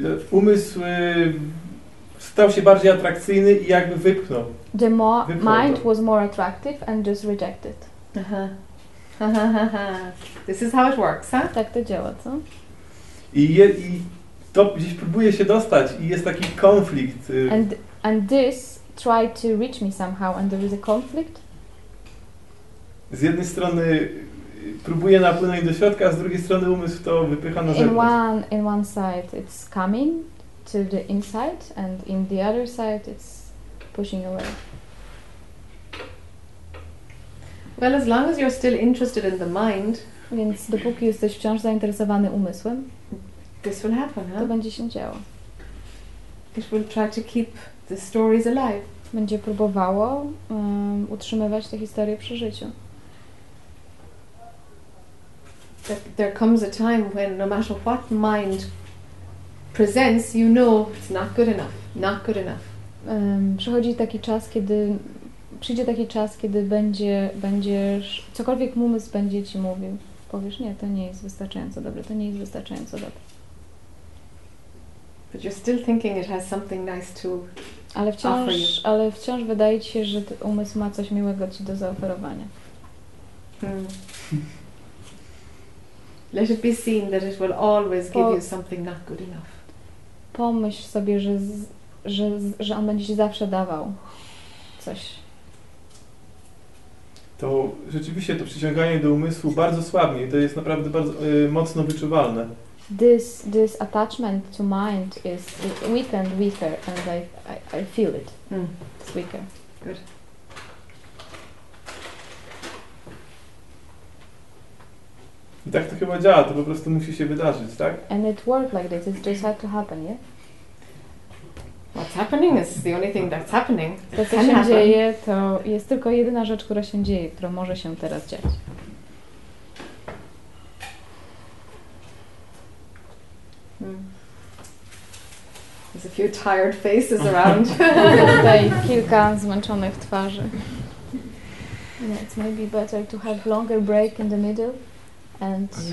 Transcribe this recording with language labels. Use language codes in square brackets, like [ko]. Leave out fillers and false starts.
[pl] Umysł stał się bardziej atrakcyjny i jakby wypchnął. [en] The more mind was more attractive and just rejected. Uh-huh. This is how it works, huh? [pl] Tak to działa, co? I to gdzieś próbuje się dostać i jest taki konflikt. [en] And this tried to reach me somehow and there is a conflict. [pl] Z jednej strony próbuje napłynąć do środka, a z drugiej strony umysł to wypycha na zewnątrz. [en] In one side it's coming to the inside and in the other side it's pushing away. Well, as long as you're still interested in the mind, [pl] więc dopóki jesteś wciąż zainteresowany umysłem, [en] this will happen, [pl] to będzie się działo. [en] It will try to keep the stories alive. [pl] Będzie próbowało utrzymywać te historie przy życiu. [en] But there comes a time when no matter what mind presents, you know it's not good enough, not good enough. [pl] Przychodzi taki czas, kiedy przyjdzie taki czas, kiedy będziesz cokolwiek umysł będzie ci mówił, powiesz nie, to nie jest wystarczająco dobre, to nie jest wystarczająco dobre. [en] But you're still thinking it has something nice to [pl] Ale wciąż, wydaje ci się, że umysł ma coś miłego ci do zaoferowania. Hmm. [en] Let it be seen that it will always give you something not good enough. [pl] Pomyśl sobie, że on będzie ci zawsze dawał coś. To rzeczywiście to przyciąganie do umysłu bardzo słabnie. To jest naprawdę bardzo mocno wyczuwalne. [en] This attachment to mind is weaker and weaker, and I feel it. Mm. It's weaker. Good. [pl] I tak to chyba działa. To po prostu musi się wydarzyć, tak? [en] And it worked like this. It just had to happen, yeah? What's happening is the only thing that's happening. [pl] To, co się dzieje, to jest tylko jedyna rzecz, która się dzieje, która może się teraz dziać. [en] Hmm. There's a few tired faces around. [pl] Tutaj kilka zmęczonych twarzy. [en] Yeah, it's maybe better to have longer break in the middle and